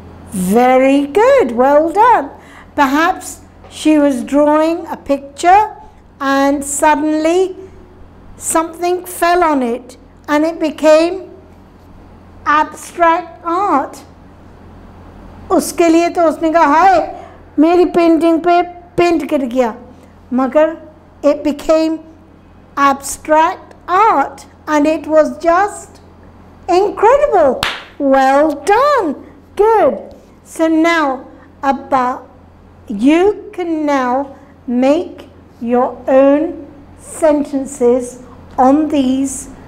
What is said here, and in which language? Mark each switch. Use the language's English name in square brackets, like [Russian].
[English] Very good. Well done. Perhaps she was drawing a picture and suddenly something fell on it and it became abstract art. [Urdu] اس کے لیے تو اس نے کہا، ہے، میری پینٹنگ پہ پینٹ کر گیا۔ Magar [English] it became abstract art and it was just incredible. Well done. Good. So now, Abba, you can now make your own sentences on these.